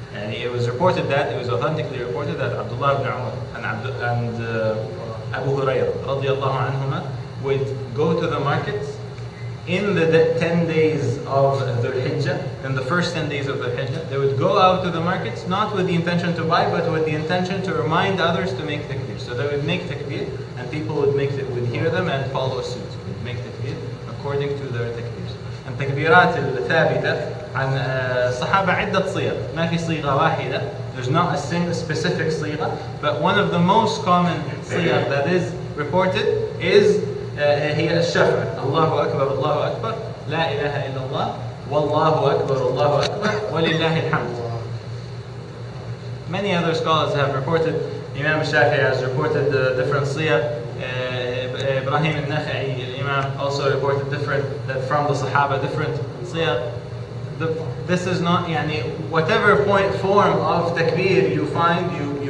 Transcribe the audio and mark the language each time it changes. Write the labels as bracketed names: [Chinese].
[English] It was reported that, it was authentically reported that Abdullah ibn Umar and Abu Hurairah radiyallahu anhuma would go to the markets in the 10 days of Dhul-Hijjah, in the first 10 days of Dhul-Hijjah. They would go out to the markets not with the intention to buy, but with the intention to remind others to make takbir. So they would make takbir and people would hear them and follow suit. They would make takbir according to their takbirs. [Arabic] And takbirat al-thabita عن صحابة عدة صيغ ما في صيغة واحدة. [English] There's not a single specific صيغة, but one of the most common صيغ that is reported is [Arabic] هي الشفع. الله أكبر الله أكبر لا إله إلا الله والله أكبر الله أكبر ولله الحمد. [English] Many other scholars have reported. Imam Shafi has reported different صيغ. Ibrahim al-Nakhai, Imam, also reported different from the صحابة different صيغ. This is not, yani, whatever point form of takbir you find, you